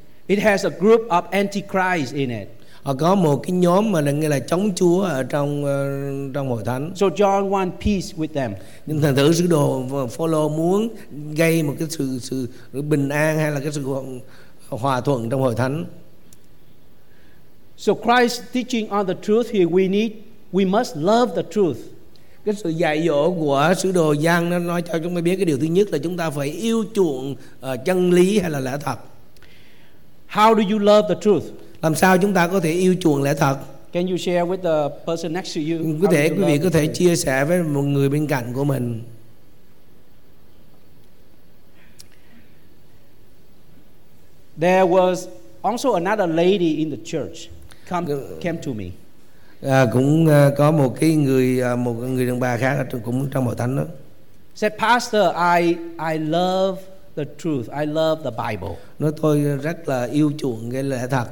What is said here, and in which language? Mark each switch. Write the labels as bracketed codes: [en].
[en] It has a group of antichrist in it. [vi] Họ có một cái nhóm mà nghĩa là chống Chúa ở trong trong hội thánh. [en] So John want peace with them. [vi] Nhưng thần tử sứ đồ Phaolô muốn gây một cái sự bình an hay là cái sự hòa thuận trong hội thánh. [en] So Christ teaching on the truth here, we must love the truth. [vi] Cái sự dạy dỗ của sứ đồ Giăng nó nói cho chúng ta biết cái điều thứ nhất là chúng ta phải yêu chuộng chân lý hay là lẽ thật. [en] How do you love the truth? [vi] Làm sao chúng ta có thể yêu chuộng lẽ thật? [en] Can you share with the person next to you? [vi] Có thể quý vị có thể chia sẻ với một người bên cạnh của mình. [en] There was also another lady in the church came to me. [vi] Cũng có một người đàn bà khác cũng trong hội thánh đó. [en] Said, Pastor, I love the truth. I love the Bible. [vi] Nói tôi rất là yêu chuộng cái lẽ thật.